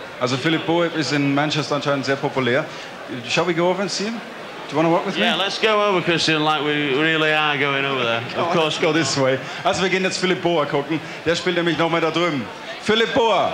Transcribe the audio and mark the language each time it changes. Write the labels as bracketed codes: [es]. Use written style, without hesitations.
[de] Also, Philip Boa is in Manchester anscheinend sehr populär. [en] Shall we go over and see him? Do you want to work with yeah, me? Yeah, let's go over, Christian, like we really are going over there. Of course, go this way. [de] Also, wir gehen jetzt Philip Boa gucken. Der spielt nämlich nochmal da drüben. Philip Boa!